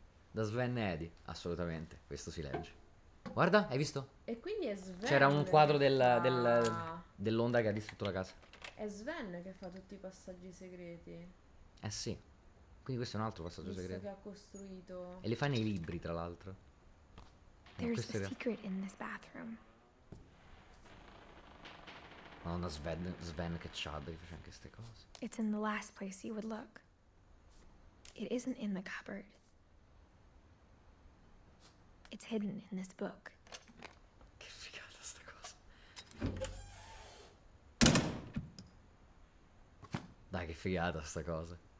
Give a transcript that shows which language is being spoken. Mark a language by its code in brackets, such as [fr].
[it] Da Sven e Eddie, assolutamente, questo si legge. Guarda, hai visto? E quindi è Sven. C'era un quadro dell'onda che ha distrutto la casa. È Sven che fa tutti i passaggi segreti. Eh sì, quindi questo è un altro passaggio visto segreto che ha costruito. E li fa nei libri, tra l'altro. [en] There's a secret in this bathroom. [it] Madonna, Sven che c'ha, devi fare anche queste cose. [en] It's in the last place you would look. It isn't in the cupboard. It's hidden in this book. [it] Che figata sta cosa. Dai, che figata sta cosa.